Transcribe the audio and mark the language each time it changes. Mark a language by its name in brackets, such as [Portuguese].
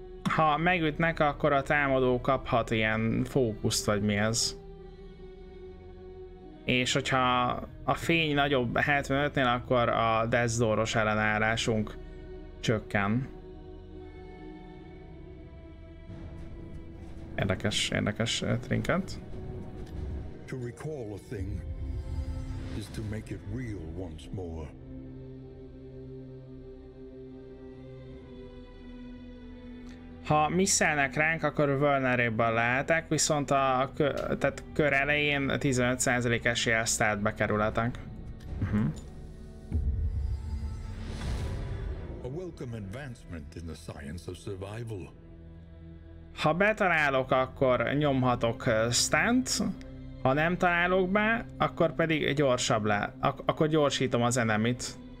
[Hungarian] Ha megütnek, akkor a támadó kaphat ilyen fókuszt, vagy mi ez. És hogyha a fény nagyobb 75-nél, akkor a Death Door-os ellenállásunk csökken. Érdekes, érdekes trinket. [English] To recall a thing is to make it real once more. [Hungarian] Ha misszelnek ránk, akkor vulnerable lehetek, viszont a tehát kör elején 15% eséllyel stealth bekerületek. [English] A welcome advancement in the science of survival. [Hungarian] Ha betalálok, akkor nyomhatok stunt, ha nem találok be, akkor pedig gyorsabb le, akkor gyorsítom az enemit.